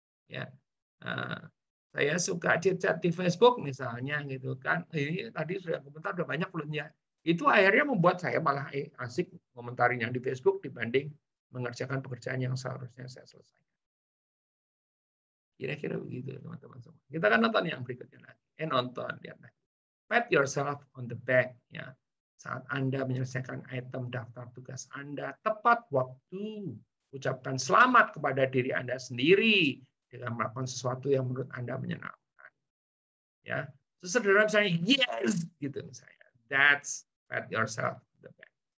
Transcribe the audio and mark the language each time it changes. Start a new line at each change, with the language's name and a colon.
Indonesian: Ya, saya suka chat-chat di Facebook misalnya, gitu kan. Ini tadi sudah komentar sudah banyak belum ya. Itu akhirnya membuat saya malah asik komentarin yang di Facebook dibanding mengerjakan pekerjaan yang seharusnya saya selesaikan. Kira-kira begitu teman-teman semua. Kita akan nonton yang berikutnya lagi. Nonton lihat lagi.
English: Pat yourself on the back, ya.
Indonesian: Saat Anda menyelesaikan item daftar tugas Anda tepat waktu. Ucapkan selamat kepada diri Anda sendiri dengan melakukan sesuatu yang menurut Anda menyenangkan. Ya, sesederhana misalnya yes gitu misalnya.
English: That's pat yourself the back.